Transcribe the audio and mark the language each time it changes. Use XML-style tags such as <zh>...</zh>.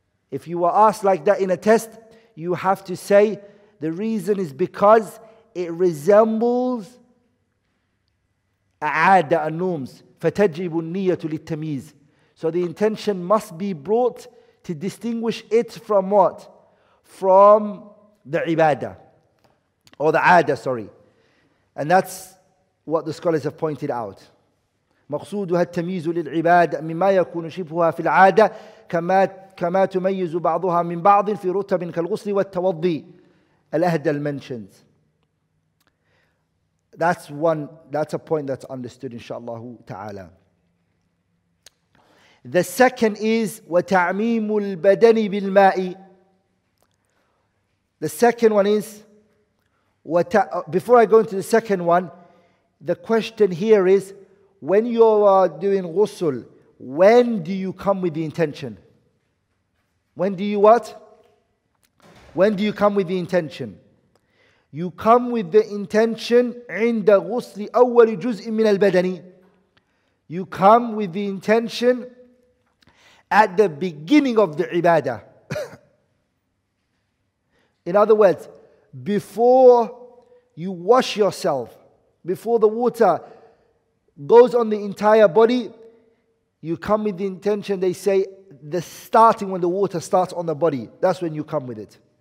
<en>If you were asked like that in a test, you have to say, the reason is because it resembles a'ada an-nums,</en> <ar>فَتَجِبُ النِّيَّةُ لِلْتَمِيزِ.</ar> <en>So the intention must be brought to distinguish it from what? From the ibadah, or the ada, sorry. And that's what the scholars have pointed out.</en> <ar>مقصودها التمييز للعبادة مما يكون شبهها في العادة كما تميز بعضها من بعض في رتب كالغسل والتوضي.</ar> <en>الأهدل mentions. That's one, that's a point that's understood, inshallah ta'ala. The second is</en> <ar>وتعميم البدن بالماء.</ar> <en>The second one is, before I go into the second one, the question here is, when you are doing ghusl, when do you come with the intention? When do you what? When do you come with the intention? You come with the intention</en> <ar>عند غسل أول جزء من البدن.</ar> <en>You come with the intention at the beginning of the ibadah. In other words, before you wash yourself, before the water goes on the entire body, you come with the intention, they say, the starting when the water starts on the body, that's when you come with it.</en>